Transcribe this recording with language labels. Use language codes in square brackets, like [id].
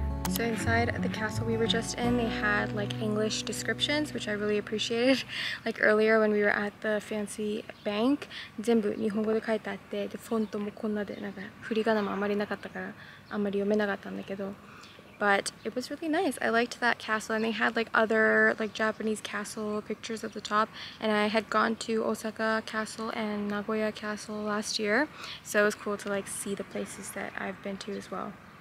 [en] So inside the castle we were just in, they had like English descriptions, which I really appreciated. Like earlier when we were at the fancy bank, [ja] 全部日本語で書いてあって、でフォントもこんなで、なんか振り仮名もあまりなかったから、あんまり読めなかったんだけど、 [en] But it was really nice. I liked that castle, and they had like other like Japanese castle pictures at the top. And I had gone to Osaka Castle and Nagoya Castle last year, so it was cool to like see the places that I've been to as well.